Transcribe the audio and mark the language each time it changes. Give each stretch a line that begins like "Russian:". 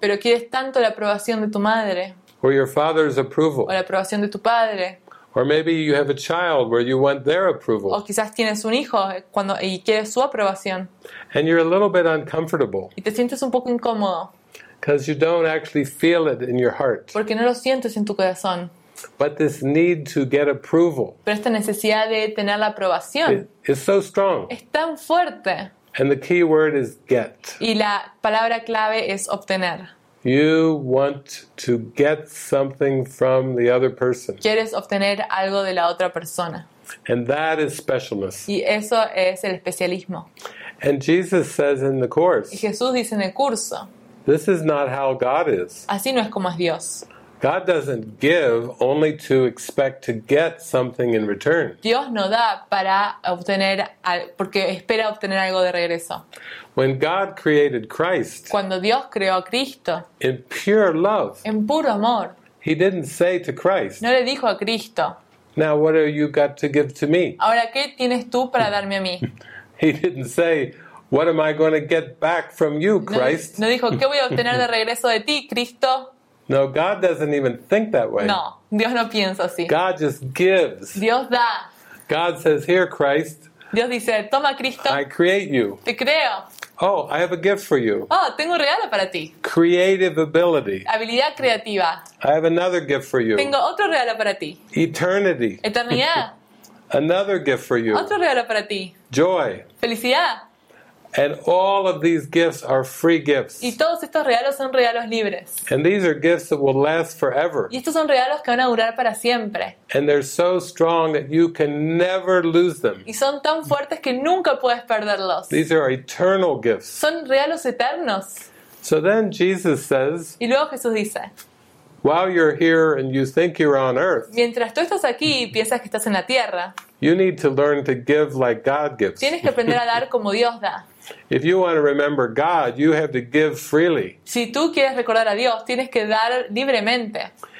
Spanish: Pero quieres tanto la aprobación de tu madre.
English: Or your father's approval.
Spanish: O la aprobación de tu padre.
English: Or maybe you have a child where you want their approval.
Spanish: O quizás tienes un hijo cuando y quieres su aprobación.
English: And you're a little bit uncomfortable.
Spanish: Y te sientes un poco incómodo.
English: Because you don't actually feel it in your heart.
Spanish: Porque no lo sientes en tu corazón.
English: But this need to get approval.
Spanish: Pero esta necesidad de tener la aprobación.
English: Is so strong.
Spanish: Es tan fuerte.
English: And the key word is get.
Spanish: Y la palabra clave es obtener.
English: You want to get something from the other person.
Spanish: Quieres obtener algo de la otra persona.
English: And that is specialness.
Spanish: Y eso es el especialismo.
English: And Jesus says in the course.
Spanish: Y Jesús dice en el curso.
English: This is not how God is.
Spanish: Así no es como es Dios.
English: God doesn't give only to expect to get something in return.
Spanish: Dios no da para obtener porque espera obtener algo de regreso.
English: When God created Christ,
Spanish: cuando Dios creó a Cristo,
English: in pure love,
Spanish: en puro amor,
English: He didn't say to Christ,
Spanish: no le dijo a Cristo,
English: "Now what have you got to give to me?"
Spanish: Ahora qué tienes tú para darme a mí.
English: He didn't say, "What am I going to get back from you, Christ?"
Spanish: No dijo qué voy a obtener de regreso de ti, Cristo.
English: No, God doesn't even think that way.
Spanish: No, Dios no piensa así.
English: God just gives.
Spanish: Dios da.
English: God says, "Here, Christ."
Spanish: Dios dice, "Toma, Cristo."
English: I create you.
Spanish: Te creo.
English: Oh, I have a gift for you.
Spanish: Oh, tengo un regalo para ti.
English: Creative ability.
Spanish: Habilidad creativa.
English: I have another gift for you.
Spanish: Tengo otro regalo para ti.
English: Eternity.
Spanish: Eternidad.
English: Another gift for you.
Spanish: Otro regalo para ti.
English: Joy.
Spanish: Felicidad.
English: And all of these gifts are free gifts.
Spanish: Y todos estos regalos son regalos libres.
English: And these are gifts that will last forever.
Spanish: Y estos son regalos que van a durar para siempre.
English: And they're so strong that you can never lose them.
Spanish: Y son tan fuertes que nunca puedes perderlos.
English: These are eternal gifts.
Spanish: Son regalos eternos.
English: So then Jesus says,
Spanish: y luego Jesús dice,
English: While you're here and you think you're on earth,
Spanish: mientras tú estás aquí y piensas que estás en la tierra,
English: you need to learn to give like God gives.
Spanish: Tienes que aprender a dar como Dios da.
English: If you want to remember God, you have to give freely.
Spanish: Si tú quieres recordar a Dios, tienes que dar libremente.